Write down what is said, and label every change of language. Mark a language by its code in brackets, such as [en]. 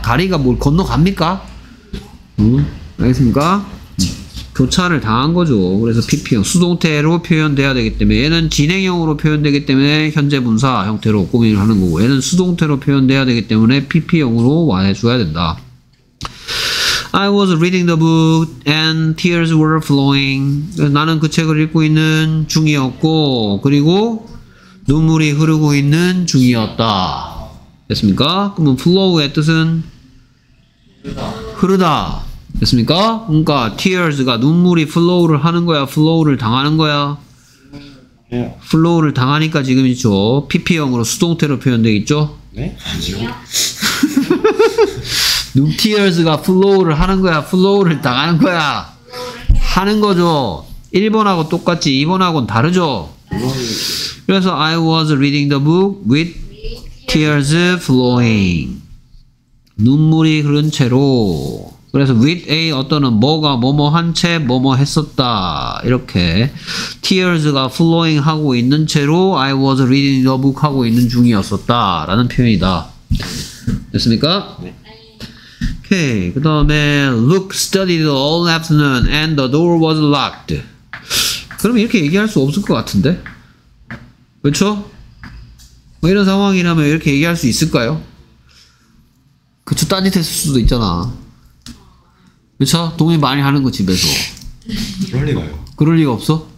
[ko] 다리가 뭘 건너갑니까? 응? 알겠습니까? 교차를 당한 거죠. 그래서 PP형 수동태로 표현돼야 되기 때문에 얘는 진행형으로 표현되기 때문에 현재 분사 형태로 고민을 하는 거고 얘는 수동태로 표현돼야 되기 때문에 PP형으로 완해줘야 된다. [en] I was reading the book and tears were flowing. [ko] 나는 그 책을 읽고 있는 중이었고 그리고 눈물이 흐르고 있는 중이었다. 됐습니까? 그러면 flow의 뜻은 흐르다. 됐습니까? 그러니까 tears가 눈물이 flow를 하는 거야? flow를 당하는 거야? flow를 당하니까 지금 있죠. pp형으로 수동태로 표현되어 있죠? 네? 아니요. tears가 flow를 하는 거야? flow를 당하는 거야? 하는 거죠. 1번하고 똑같지 2번하고는 다르죠? 그래서 [en] I was reading the book with tears flowing. [ko] 눈물이 흐른 채로 그래서 with a 어떤은 뭐가 뭐뭐 한 채 뭐뭐 했었다 이렇게 tears가 flowing 하고 있는 채로 [en] I was reading the book [ko] 하고 있는 중이었었다 라는 표현이다. 됐습니까? 오케이. 그 다음에 [en] Luke studied all afternoon and the door was locked. [ko] 그럼 이렇게 얘기할 수 없을 것 같은데 그렇죠? 뭐 이런 상황이라면 이렇게 얘기할 수 있을까요? 그쵸? 따짓했을 수도 있잖아. 그쵸? 동의 많이 하는 거 집에서. 그럴 리가요. 그럴 리가 없어?